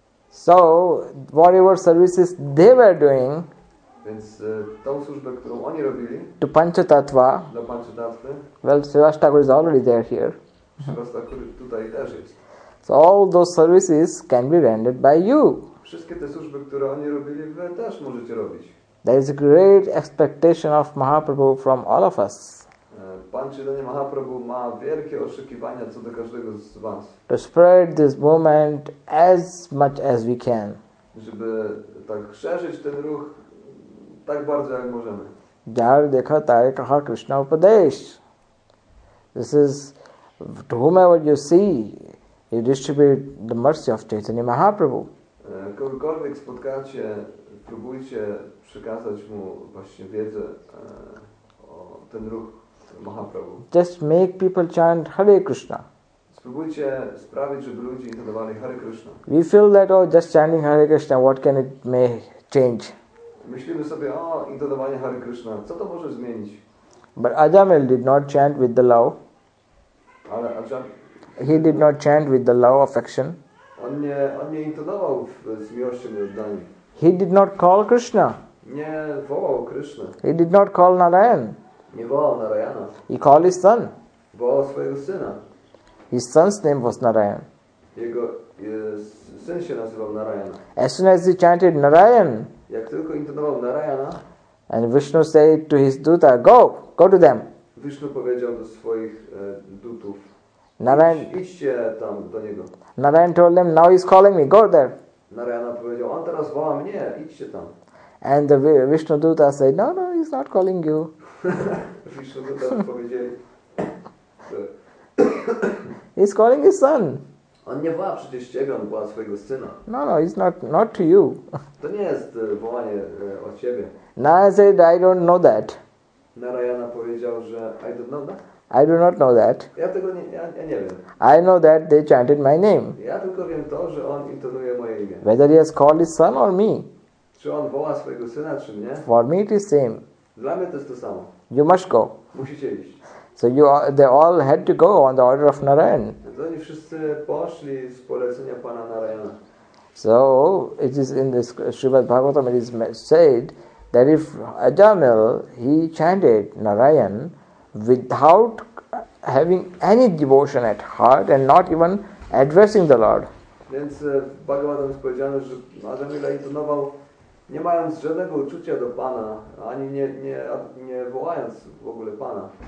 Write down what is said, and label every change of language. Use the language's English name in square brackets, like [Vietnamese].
[English] So, whatever services they were doing. [Polish] Więc tą służbę, którą oni robili, to panchatattva, dla panchatattvy, [English] well, Srivastakura is already there here. [Polish] Srivastakura tutaj też jest. [English] So all those services can be rendered by you. [Polish] Wszystkie te służby, które oni robili, wy też możecie robić. [English] There is a great expectation of Mahaprabhu from all of us. [Polish] Pan Chaitanya Mahaprabhu ma wielkie oczekiwania co do każdego z was. [English] To spread this movement as much as we can. [Polish] Żeby tak szerzyć ten ruch tak bardzo jak możemy. [Bangla] Jar dekha tai kaha Krishna upadesh. [English] This is to whomever you see, you distribute the mercy of Chaitanya Mahaprabhu. [Polish] Kogokolwiek spotkacie, próbujcie przekazać mu właśnie wiedzę o ten ruch Mahaprabhu. [English] Just make people chant Hare Krishna. [Polish] Spróbujcie sprawić, żeby ludzie intonowali Hare Krishna. [English] We feel that, oh, just chanting Hare Krishna, what can it may change? [Polish] Myślimy sobie, o, intonowanie Hare Krishna, co to może zmienić? [English] But Ajamil did not chant with the love. [Polish] Ale Ajam... [English] He did not chant with the love of affection. [Polish] On nie intonował z miłością i oddaniem. [English] He did not call Krishna. [Polish] Nie wołał Krishna. [English] He did not call Narayan. [Polish] Nie wołał Narayana. [English] He called his son. [Polish] Wołał swojego syna. [English] His son's name was Narayan. [Polish] Jego syn się nazywał Narayana. [English] As soon as he chanted Narayan, [Polish] jak tylko intonował Narayana, [English] and Vishnu said to his duta, go to them. [Polish] Vishnu powiedział do swoich dutów, Narayan, idźcie tam do niego. [English] Narayan told them, now he's calling me, go there. [Polish] Narayana powiedział, on teraz woła mnie, idźcie tam. [English] And the Vishnu Duta said, no, he's not calling you. [Polish] Vishnu Duta powiedzieli, [English] he's calling his son. [Polish] On nie woła przecież ciebie, on woła swojego syna. [English] No, he's not to you. [Polish] To nie jest wołanie o ciebie. [English] Narayana said, I don't know that. [Polish] Narayana powiedział, że [English] I don't know that. I do not know that. [Polish] Ja tego nie wiem. [English] I know that they chanted my name. [Polish] Ja tylko wiem to, że on intonuje moje imię. [English] Whether he has called his son or me. [Polish] Czy on woła swojego syna, czy mnie? [English] For me it is same. [Polish] Dla mnie to jest to samo. [English] You must go. [Polish] Musicie iść. [English] So they all had to go on the order of Narayan. [Polish] To oni wszyscy poszli z polecenia pana Narayana. [English] So it is in this Srimad Bhagavatam it is said that if Ajamil, he chanted Narayan, without having any devotion at heart and not even addressing the Lord. [Polish] Więc Bhagavatam jest powiedziane, że Ajamila intonował nie mając żadnego uczucia do Pana, ani nie wołając w ogóle Pana.